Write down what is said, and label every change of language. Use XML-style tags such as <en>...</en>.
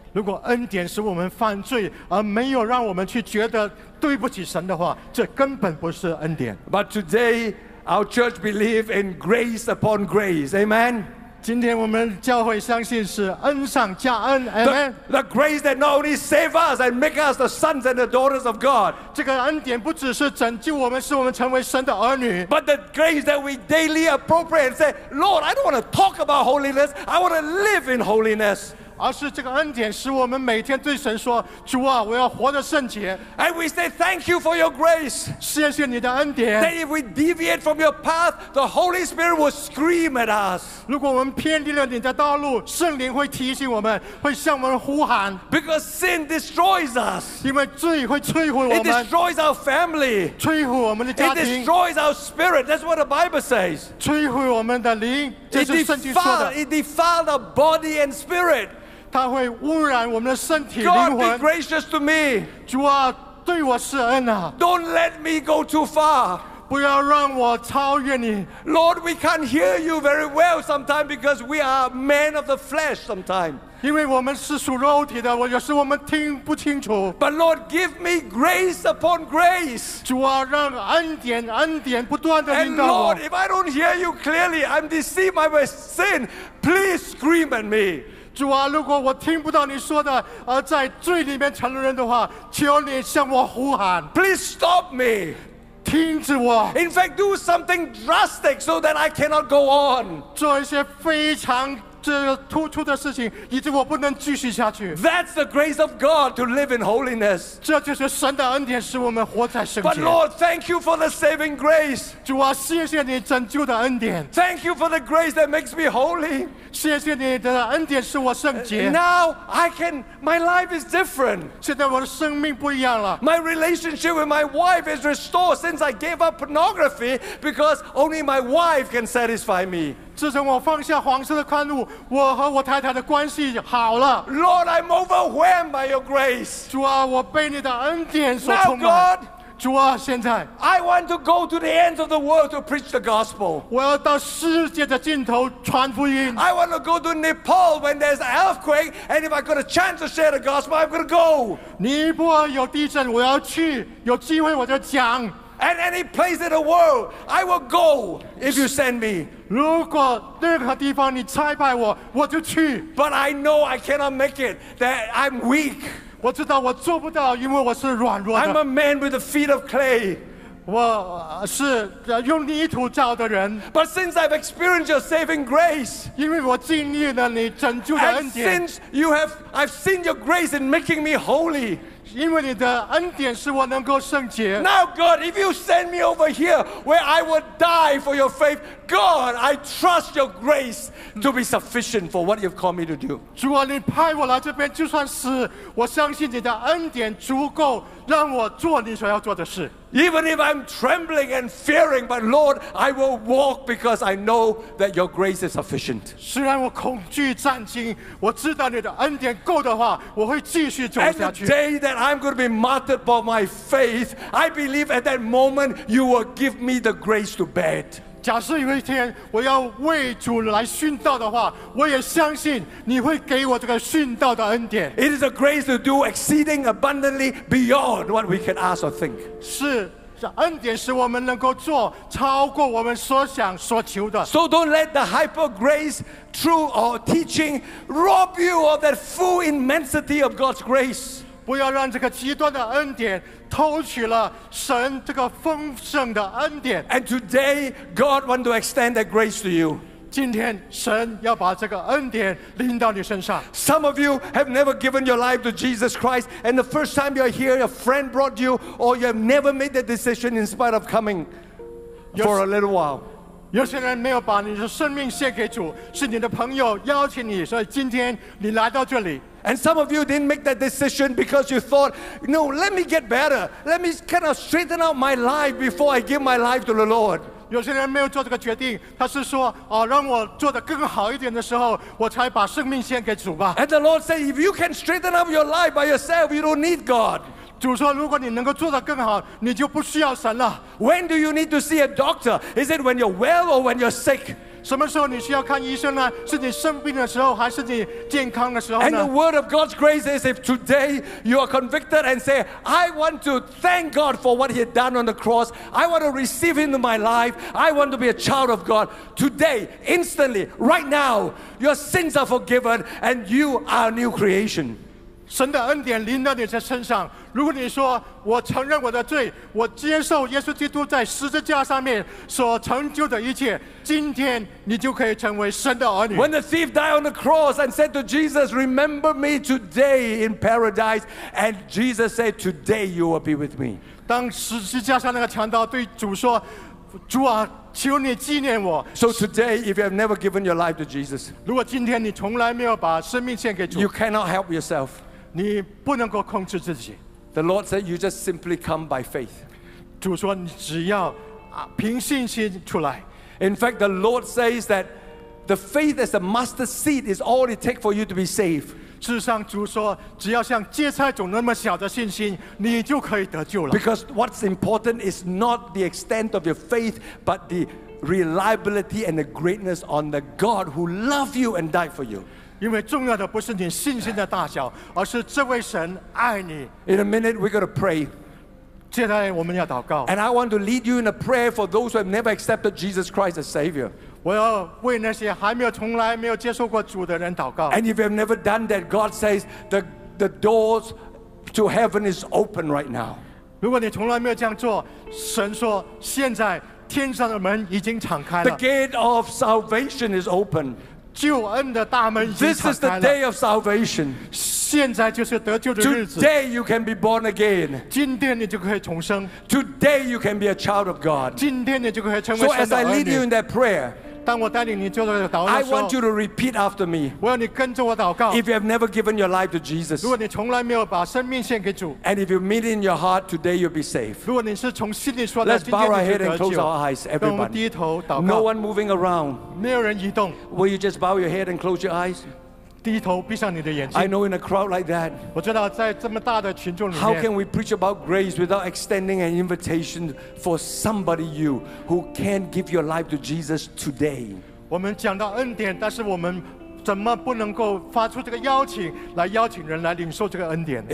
<zh>如果恩典使我们犯罪而没有让我们去觉得对不起神的话，这根本不是恩典。</zh> <en>But today our church believes in grace upon grace. Amen.</en> <zh>今天我们教会相信是恩上加恩。</zh> <en>Amen. The grace that not only save us and make us the sons and the daughters of God.</en> <zh>这个恩典不只是拯救我们，使我们成为神的儿女。</zh> <en>But the grace that we daily appropriate and say, Lord, I don't want to talk about holiness. I want to live in holiness.</en> <zh>而是这个恩典使我们每天对神说，主啊，我要活得圣洁。</zh> <en>And we say, thank you for your grace.</en> <zh>谢谢你的恩典。</zh> <en>That if we deviate from your path, the Holy Spirit will scream at us.</en> <zh>如果我们偏离了你的道路，圣灵会提醒我们，会向我们呼喊。</zh> <en>Because sin destroys us.</en> <zh>因为罪会摧毁我们。</zh> <en>It destroys our family.</en> <zh>摧毁我们的家庭。</zh> <en>It destroys our spirit. That's what the Bible says.</en> <zh>摧毁我们的灵，这是圣经说的。</zh> <en>It defiles our body and spirit.</en> <zh>它会污染我们的身体、</zh> <en>God、</en> <zh>灵魂。</zh> <en>God be gracious to me.</en> <zh>主啊，对我施恩啊。</zh> <en>Don't let me go too far.</en> <zh>不要让我超越你。</zh> <en>Lord, we can't hear you very well sometimes because we are men of the flesh sometimes.</en> <zh>因为我们是属肉体的，有时我们听不清楚。</zh> <en>But Lord, give me grace upon grace.</en> <zh>主啊，让恩典恩典不断的引导我。</zh> <en>And Lord, if I don't hear you clearly, I'm deceived by my sin. Please scream at me.</en> <zh>主啊，如果我听不到你说的，而在罪里面沉沦的话，求你向我呼喊。</zh> <en>Please stop me.</en> <zh>停止我。</zh> <en>In fact, do something drastic so that I cannot go on.</en> <zh>做一些非常突出的事情，以致我不能继续下去。</zh> <en>That's the grace of God to live in holiness.</en> <zh>这就是神的恩典，使我们活在圣洁。</zh> <en>But Lord, thank you for the saving grace.</en> <zh>主啊，谢谢你拯救的恩典。</zh> <en>Thank you for the grace that makes me holy.</en> <zh>谢谢你的恩典，使我圣洁。</zh> <en>Now I can, my life is different.</en> <zh>现在我的生命不一样了。</zh> <en>My relationship with my wife is restored since I gave up pornography because only my wife can satisfy me.</en> <zh>自从我放下黄色的刊物，我和我太太的关系好了。</zh> <en>Lord, I'm overwhelmed by your grace.</en> <zh>主啊，我被你的恩典所充满。</zh> <en>Now, God,</en> <zh>主啊，现在</zh> <en>I want to go to the ends of the world to preach the gospel.</en> <zh>我要到世界的尽头传福音。</zh> <en>I want to go to Nepal when there's an earthquake, and if I got a chance to share the gospel, I'm going to go.</en> <zh>尼泊尔有地震，我要去，有机会我就讲。</zh> <en>And any place in the world, I will go if you send me.</en> <zh>如果任何地方你差派我，我就去。</zh> <en>But I know I cannot make it, that I'm weak.</en> <zh>我知道我做不到，因为我是软弱的。</zh> <en>I'm a man with the feet of clay.</en> <zh>我是用泥土造的人。</zh> <en>But since I've experienced your saving grace,</en> <zh>因为我经历了你拯救的恩典。</zh> <en>And since you have, I've seen your grace in making me holy.</en> <zh>因为你的恩典使我能够圣洁。</zh> <en>Now God, if you send me over here where I would die for your faith, God, I trust your grace to be sufficient for what you've called me to do.</en> <zh>主啊，你派我来这边，就算是我相信你的恩典足够让我做你所要做的事。</zh> <en>Even if I'm trembling and fearing, but Lord, I will walk because I know that your grace is sufficient.</en> <zh>虽然我恐惧战惊，我知道你的恩典够的话，我会继续走下去。</zh> <en>And the day that I'm going to be martyred for my faith, I believe at that moment you will give me the grace to bear it.</en> <zh>假设有一天我要为主来殉道的话，我也相信你会给我这个殉道的恩典。</zh> <en>It is a grace to do exceeding abundantly beyond what we can ask or think.</en> <zh>是恩典使我们能够做超过我们所想所求的。</zh> <en>So don't let the hyper grace through our teaching rob you of that full immensity of God's grace.</en> <zh>不要让这个极端的恩典偷取了神这个丰盛的恩典。</zh> <en>And today, God wants to extend that grace to you.</en> <zh>今天神要把这个恩典临到你身上。</zh> <en>Some of you have never given your life to Jesus Christ, and the first time you're here, a friend brought you, or you have never made that decision in spite of coming for a little while.</en> <zh>有些人没有把你的生命献给主，是你的朋友邀请你，所以今天你来到这里。</zh> <en>And some of you didn't make that decision because you thought, no, let me get better. Let me kind of straighten out my life before I give my life to the Lord.</en> <zh>有些人没有做这个决定，他是说，哦，让我做得更好一点的时候，我才把生命献给主吧。</zh> <en>And the Lord said, if you can straighten up your life by yourself, you don't need God.</en> <zh>主说，如果你能够做得更好，你就不需要神了。</zh> <en>When do you need to see a doctor? Is it when you're well or when you're sick?</en> <zh>什么时候你需要看医生呢？是你生病的时候，还是你健康的时候呢？</zh> <en>And the word of God's grace is if today you are convicted and say, I want to thank God for what he had done on the cross. I want to receive him into my life. I want to be a child of God. Today, instantly, right now, your sins are forgiven and you are a new creation.</en> <zh>神的恩典临到你的身上。如果你说我承认我的罪，我接受耶稣基督在十字架上面所成就的一切，今天你就可以成为神的儿女。</zh> <en>When the thief died on the cross and said to Jesus, "Remember me today in paradise," and Jesus said, "Today you will be with me."</en> <zh>当十字架上那个强盗对主说，主啊，求你纪念我。</zh> <en>So today, if you have never given your life to Jesus,</en> <zh>如果今天你从来没有把生命献给主</zh> <en>，you cannot help yourself.</en> <zh>你不能够控制自己。</zh> <en>The Lord said, "You just simply come by faith."</en> <zh>主说你只要凭信心出来。</zh> <en>In fact, the Lord says that the faith as a mustard seed is all it takes for you to be saved.</en> <zh>事实上，主说只要像芥菜种那么小的信心，你就可以得救了。</zh> <en>Because what's important is not the extent of your faith, but the reliability and the greatness on the God who loved you and died for you.</en> <zh>因为重要的不是你信心的大小，而是这位神爱你。</zh> <en>In a minute, we're going to pray.</en> <zh>接下来我们要祷告。</zh> <en>And I want to lead you in a prayer for those who have never accepted Jesus Christ as Savior.</en> <zh>我要为那些还没有从来没有接受过主的人祷告。</zh> <en>And if you have never done that, God says the doors to heaven is open right now.</en> <zh>如果你从来没有这样做，神说现在天上的门已经敞开了。</zh> <en>The gate of salvation is open.</en> <zh>救恩的大门已经敞开了。</zh> <en>This is the day of salvation.</en> <zh>现在就是得救的日子。</zh> <en>Today you can be born again.</en> <zh>今天你就可以重生。</zh> <en>Today you can be a child of God.</en> <zh>今天你就可以成为神的儿女。</zh> <en>So as I lead you in that prayer,</en> <zh>当我带领你做这个祷告的时候，</zh> <en>I want you to repeat after me.</en> <zh>我要你跟着我祷告。</zh> <en>If you have never given your life to Jesus,</en> <zh>如果你从来没有把生命献给主，</zh> <en>and if you mean in your heart, today you'll be saved.</en> <zh>如果你是从心里说的，</zh> <en>let's bow our head and close our eyes, everybody.</en> <zh>让我们低头祷告。</zh> <en>No one moving around.</en> <zh>没有人移动。</zh> <en>Will you just bow your head and close your eyes?</en> <zh>低头闭上你的眼睛。</zh> <en>I know in a crowd like that,</en> <zh>我知道在这么大的群众里面。</zh> <en>How can we preach about grace without extending an invitation for somebody you who can't give your life to Jesus today?</en> <zh>我们讲到恩典，但是我们怎么不能够发出这个邀请来邀请人来领受这个恩典？</zh>